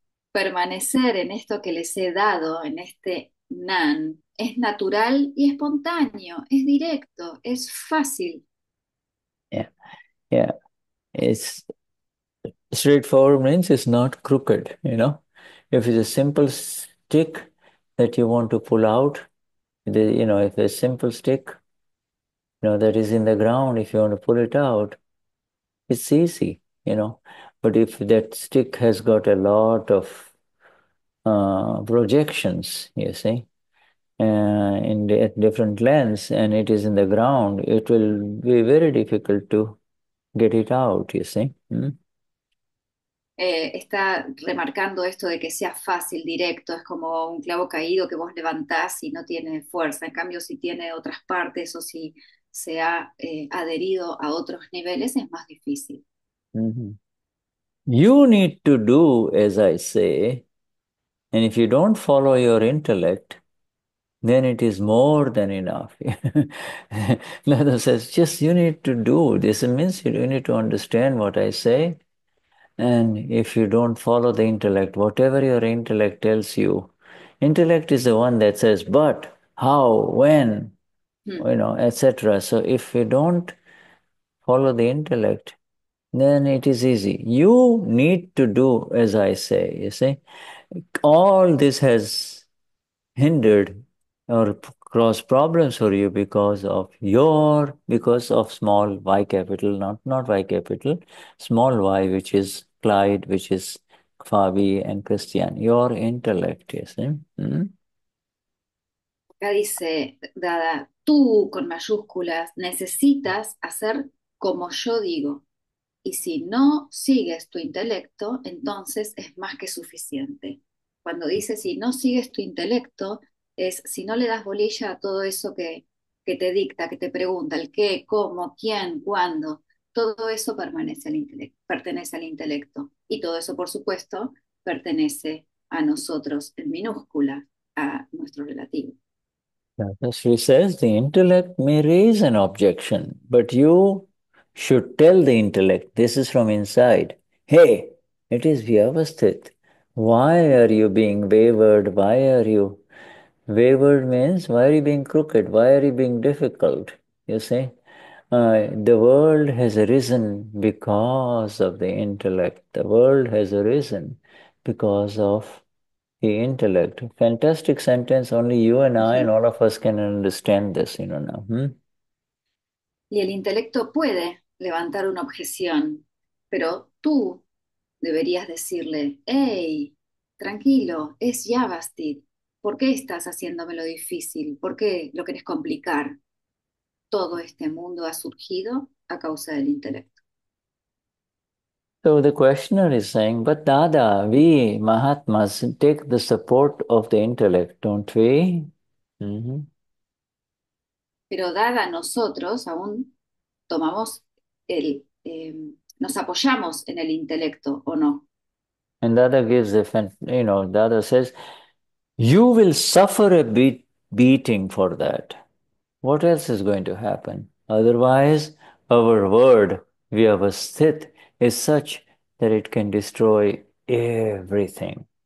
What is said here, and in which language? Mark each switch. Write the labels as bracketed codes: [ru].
[es] Permanecer en esto que les he dado, en este NAN. Es natural y espontáneo, es directo, es fácil. [en] It's straightforward means it's not crooked, you know. If it's a simple stick that you want to pull out. If a simple stick, that is in the ground, if you want to pull it out, it's easy, But if that stick has got a lot of projections, you see, in the different lengths, and it is in the ground, it will be very difficult to get it out, you see. [es] Está remarcando esto de que sea fácil, directo, es como un clavo caído que vos levantás y no tiene fuerza. En cambio, si tiene otras partes o si se ha adherido a otros niveles, es más difícil. [en] You need to do as I say, and if you don't follow your intellect, then it is more than enough. Another says, just you need to do this. It means you need to understand what I say, and if you don't follow the intellect, whatever your intellect tells you, intellect is the one that says, but how, when, etc. So if you don't follow the intellect, then it is easy. You need to do as I say, you see. All this has hindered or caused problems for you because of small y capital, not y capital, small y, which is Clyde, which is Fabi and Christian, your intellect, you see. [es] Acá dice, Dada, tú con mayúsculas necesitas hacer como yo digo. Y si no sigues tu intelecto, entonces es más que suficiente. Cuando dice si no sigues tu intelecto, es si no le das bolilla a todo eso que te dicta, que te pregunta, el qué, cómo, quién, cuándo, todo eso permanece al intelecto, pertenece al intelecto. Y todo eso, por supuesto, pertenece a nosotros en minúscula, a nuestro relativo. [en] She says the intellect may raise an objection, but you should tell the intellect, this is from inside, hey, It is vyavasthit. Why are you being wavered? Why are you wavered means why are you being crooked? Why are you being difficult? You see, the world has arisen because of the intellect. The world has arisen because of the intellect. Fantastic sentence. Only you and I and all of us can understand this, you know now. [es] Y el intelecto puede levantar una objeción, pero tú deberías decirle, hey, tranquilo, es Yavastit, ¿por qué estás haciéndomelo difícil? ¿Por qué lo quieres complicar? Todo este mundo ha surgido a causa del intelecto. [en] So the questioner is saying, but Dada, we Mahatmas take the support of the intellect, don't we? [es] Pero dada nosotros aún tomamos el nos apoyamos en el intelecto, ¿o no? [en] And Dada gives the, you know, Dada says, you will suffer a beating for that. What else is going to happen? Otherwise, our word, we have a sthit, is such that it can destroy everything.